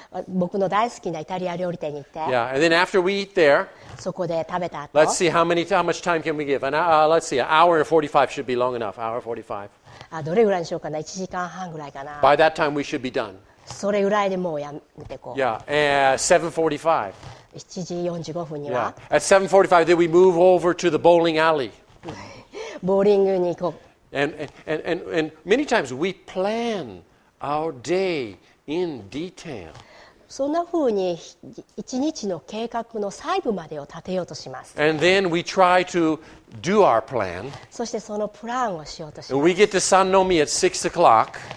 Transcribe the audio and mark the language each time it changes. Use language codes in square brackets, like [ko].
[ja] 僕の大好きなイタリア料理店に行って。 [en] Yeah, and then after we eat there, [ja] そこで食べた後 [en] let's see how much time can we give. And, let's see, an hour and 45 should be long enough. Hour 45. [ja] どれぐらいにしようかな ?1 時間半ぐらいかな [en] By that time we should be done. [ja] それぐらいでもうやめてこう。 [en] Yeah, and 7:45. [ja] 7時45分には [en] Yeah, at 7:45 then we move over to the bowling alley. [ja] ボーリングに行こう。 [en] And many times we plan our day in detail. [ja] そんな風に1日の計画の細部までを立てようとします。 [en] And then we try to do our plan. [ja] そしてそのプランをしようとします。 [en] We get to Sannomi at 6 o'clock.